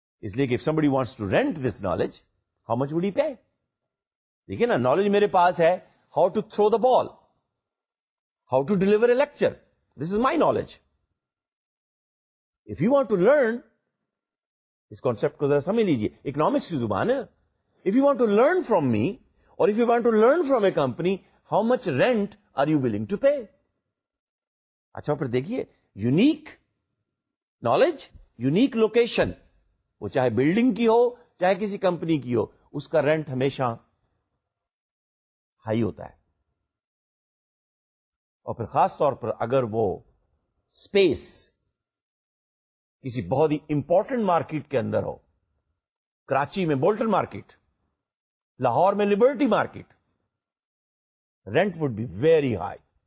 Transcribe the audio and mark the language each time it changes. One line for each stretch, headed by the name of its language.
English: Is like if somebody wants to rent this knowledge, how much would he pay?
Urdu: Dekhiye na, knowledge mere paas hai,
English: how to throw the ball, how to deliver a lecture, this is my knowledge. If you want to learn,
Urdu: اس concept کو ذرا سمجھ لیجیے, economics کی زبان ہے.
English: If you want to learn from me or if you want to learn from a company, how much rent are you willing to pay?
Urdu: اچھا پھر دیکھیے,
English: unique knowledge, unique location,
Urdu: وہ چاہے بلڈنگ کی ہو چاہے کسی کمپنی کی ہو, اس کا رینٹ ہمیشہ ہائی ہوتا ہے. اور پھر خاص طور پر اگر وہ اسپیس کسی بہت ہی امپورٹنٹ مارکیٹ کے اندر ہو, کراچی میں بولٹن مارکیٹ, لاہور میں Liberty market,
English: Rent would be very high.